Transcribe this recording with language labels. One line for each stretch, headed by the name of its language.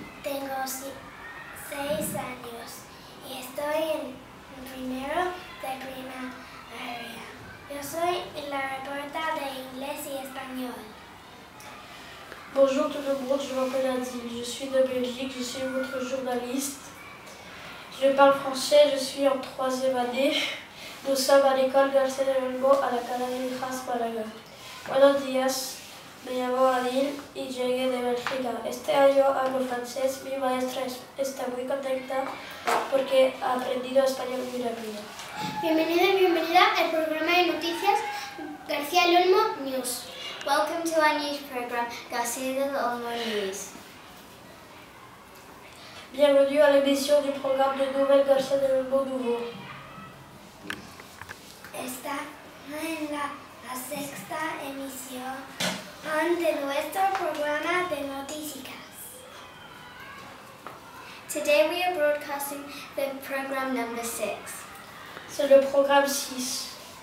Spanish: Tengo 6 años y estoy en primero de primaria. Yo soy la reportera de inglés y español.
French: Bonjour tout le monde, je m'appelle Adil, je suis de Belgique, je suis votre journaliste. Je parle français, je suis en 3e année. Nous sommes à l'école Garcia de Lomo à la Canadien France Malaga.
Spanish: Buenos días, me llamo Adil y llegué de Bélgica. Este año hablo francés, mi maestra está muy contenta porque ha aprendido español muy rápido. Bienvenido y bienvenida al programa de noticias Garcia de Lomo News.
English: Welcome to our news program, Garcia de Lomo News.
French: Bienvenue à l'émission du programme de nouvelles Garcia de Lomo Nouveau.
Spanish: Está en la sexta emisión de nuestro programa de noticias.
English: Today we are broadcasting the program number 6.
French: C'est le programme 6.